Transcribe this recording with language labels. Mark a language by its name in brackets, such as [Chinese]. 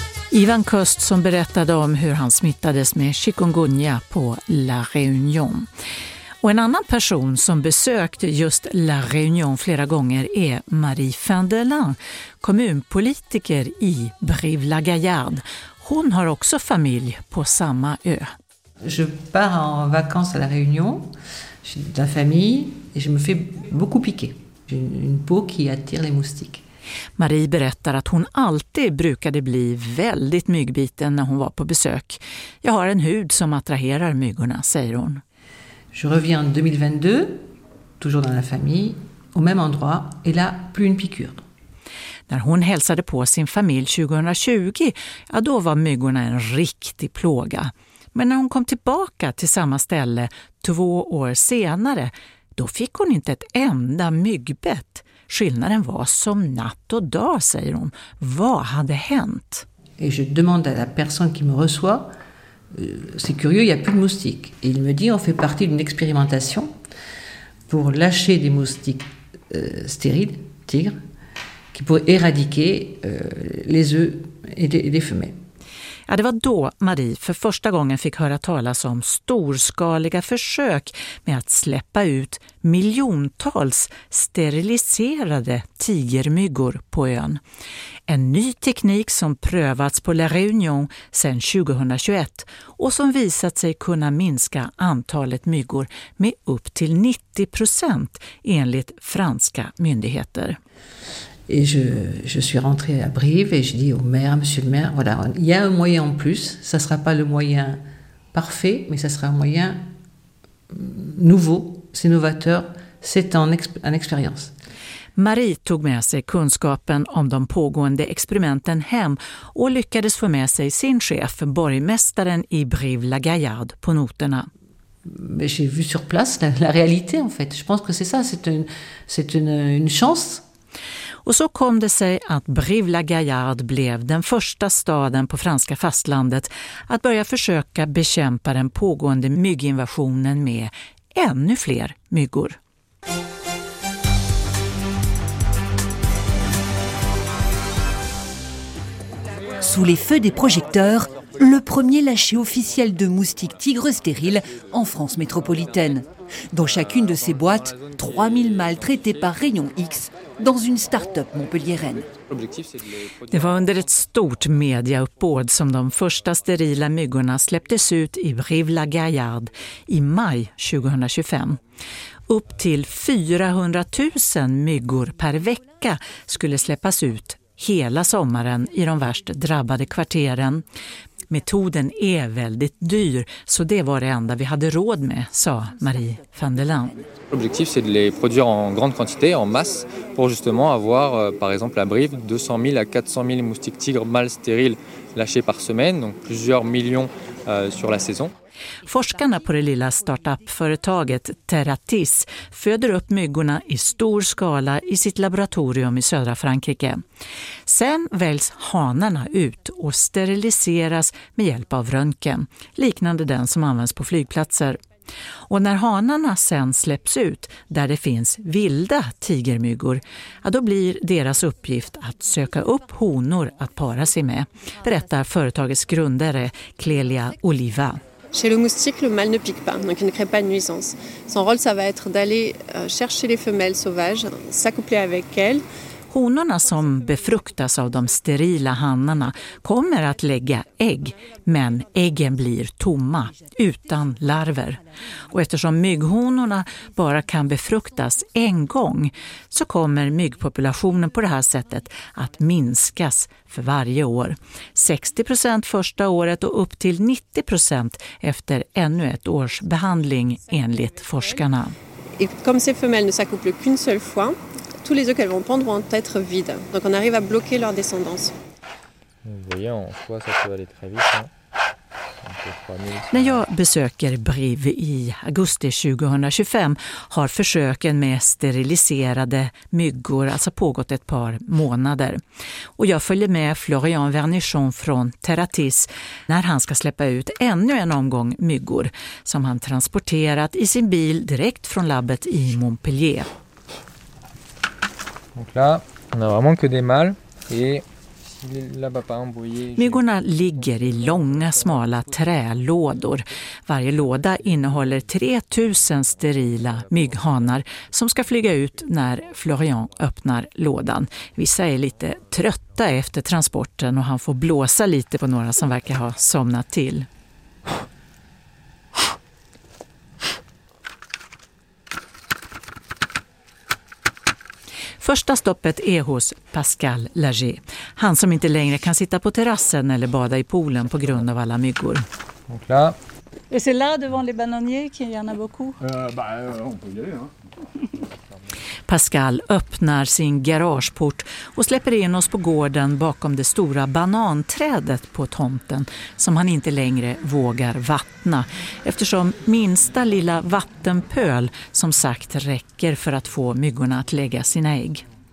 [Swedish] Ivan Köst som berättade om hur han smittades med chikungunya på La Réunion. Och en annan person som besökte just La Réunion flera gånger är Marie Fendelin, kommunpolitiker i Brive-la-Gaillarde. Hon har också familj på samma ö. [French] Je pars en vacances à La Réunion. J'ai de la famille et je me fais beaucoup piquer. J'ai une peau qui attire les moustiques. [Swedish] Marie berättar att hon alltid brukade bli väldigt myggbiten när hon var på besök. Jag har en hud som attraherar myggorna, säger hon. [French] Je reviens en 2022, toujours dans la famille, au même endroit, et là, plus une piqûre. [Swedish] När hon hälsade på sin familj 2020, ja, då var myggorna en riktig plåga. Men när hon kom tillbaka till samma ställe 2 år senare, då fick hon inte ett enda myggbett. Skillnaden var som natt och dag, säger hon. Vad hade hänt? [French] Et je demande à la personne qui me reçoit, c'est curieux, il y a plus de moustiques. Et il me dit, on fait partie d'une expérimentation pour lâcher des moustiques stériles, tigres, qui pourraient éradiquer les œufs et les femelles. [Swedish] Ja, det var då Marie för första gången fick höra talas om storskaliga försök med att släppa ut miljontals steriliserade tigermyggor på ön. En ny teknik som prövats på La Réunion sedan 2021 och som visat sig kunna minska antalet myggor med upp till 90% enligt franska myndigheter. [French] Et je suis rentrée à Brive et je dis au maire, monsieur le maire, voilà, il y a un moyen en plus, ça sera pas le moyen parfait, mais ça sera un moyen nouveau, c'est novateur, c'est en expérience. [Swedish] Marie tog med sig kunskapen om de pågående experimenten hem och lyckades få med sig sin chef, borgmästaren i Brive-la-Gaillarde, på noterna. [French] Mais j'ai vu sur place la réalité en fait. Je pense que c'est ça, c'est une chance. [Swedish] Och så kom det sig att Brive-la-Gaillarde blev den första staden på franska fastlandet att börja försöka bekämpa den pågående mygginvasionen med ännu fler myggor. [French] Sous les feux des projecteurs, le premier lâcher officiel de moustiques tigres stériles en France métropolitaine. Dans chacune de ces boîtes, 3000 mâles traités par Rayon X dans une start-up montpelliéraine. [Swedish] Det var under ett stort mediauppbåd som de första sterila myggorna släpptes ut i Brive-la-Gaillarde i maj 2025. Upp till 400 000 myggor per vecka skulle släppas ut hela sommaren i de värst drabbade kvarteren. Metoden är väldigt dyr, så det var det enda vi hade råd med, sa Marie Fendelin. [French] L'objectif c'est de les produire en grande quantité, en masse, pour justement avoir par exemple à Brive 200 000 à 400 000 moustiques tigres mâles stériles lâchés par semaine, donc plusieurs millions sur la saison. [Swedish] Forskarna på det lilla startup-företaget Terratis föder upp myggorna i stor skala i sitt laboratorium i södra Frankrike. Sen väljs hanarna ut och steriliseras med hjälp av röntgen, liknande den som används på flygplatser. Och när hanarna sen släpps ut där det finns vilda tigermyggor, ja, då blir deras uppgift att söka upp honor att para sig med, berättar företagets grundare Clélia Oliva. [French] Chez le moustique, le mâle ne pique pas, donc il ne crée pas de nuisance. Son rôle, ça va être d'aller chercher les femelles sauvages, s'accoupler avec elles. [Swedish] Honorna som befruktas av de sterila hannarna kommer att lägga ägg, men äggen blir tomma, utan larver. Och eftersom mygghonorna bara kan befruktas en gång, så kommer myggpopulationen på det här sättet att minskas för varje år. 60% första året och upp till 90% efter ännu ett års behandling, enligt forskarna. [French] Comme ces femelles ne s'accouplent qu'une seule fois, tous les œufs qu'elles vont pondre vont être vides. Donc on arrive à bloquer leur descendance. Vous voyez, en soi, ça peut aller très vite, hein. [Swedish] När jag besöker Brive i augusti 2025 har försöken med steriliserade myggor alltså pågått ett par månader. Och jag följer med Florian Vernichon från Terratis när han ska släppa ut ännu en omgång myggor som han transporterat i sin bil direkt från labbet i Montpellier. [French] Donc là, on a vraiment que des mâles et si [Swedish] Myggorna ligger i långa smala trälådor. Varje låda innehåller 3000 sterila mygghanar som ska flyga ut när Florian öppnar lådan. Vissa är lite trötta efter transporten och han får blåsa lite på några som verkar ha somnat till. Första stoppet är hos Pascal Lager. Han som inte längre kan sitta på terrassen eller bada i poolen på grund av alla myggor. [French] Donc là. Et c'est là devant les bananiers qu'il y en a beaucoup. On peut y aller, hein. [Swedish] Pascal öppnar sin garageport och släpper in oss på gården bakom det stora bananträdet på tomten som han inte längre vågar vattna. Eftersom minsta lilla vattenpöl som sagt räcker för att få myggorna att lägga sina ägg.